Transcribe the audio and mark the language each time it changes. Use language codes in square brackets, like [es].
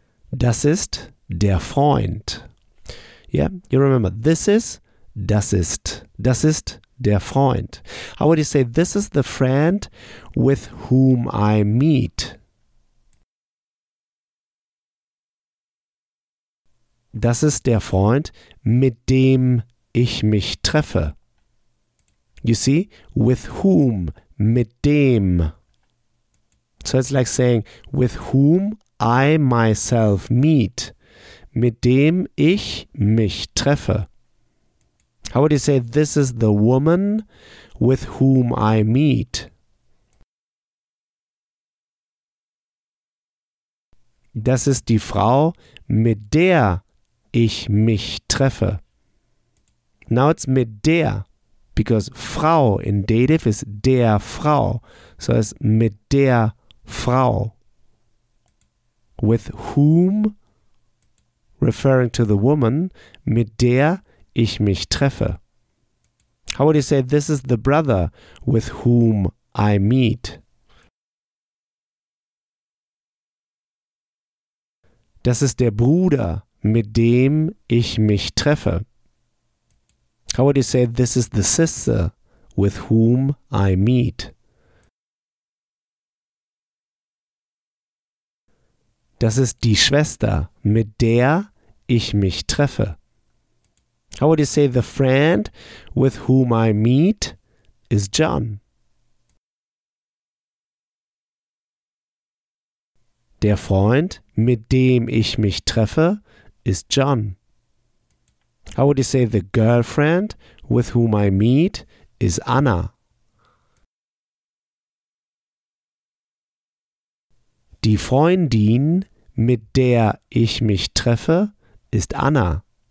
[de] Das ist der Freund. [en] Yeah, you remember, this is, [de] das ist der Freund. [en] How would you say, this is the friend with whom I meet? [de] Das ist der Freund, mit dem ich mich treffe. [en] You see? With whom? [de] Mit dem. [en] So it's like saying, with whom I myself meet. [de] Mit dem ich mich treffe. [en] How would you say, this is the woman with whom I meet? [de] Das ist die Frau, mit der ich mich treffe. [en] Now it's mit der, because Frau in dative is der Frau. So it's [de] mit der Frau. [en] With whom, referring to the woman, [de] mit der ich mich treffe. [en] How would you say, this is the brother with whom I meet? [de] Das ist der Bruder, mit dem ich mich treffe. [en] How would you say, this is the sister with whom I meet? [de] Das ist die Schwester, mit der ich mich treffe. [en] How would you say, the friend with whom I meet is John? [de] Der Freund, mit dem ich mich treffe, ist John. [en] How would you say, the girlfriend with whom I meet is Anna? [de] Die Freundin, mit der ich mich treffe, ist Anna.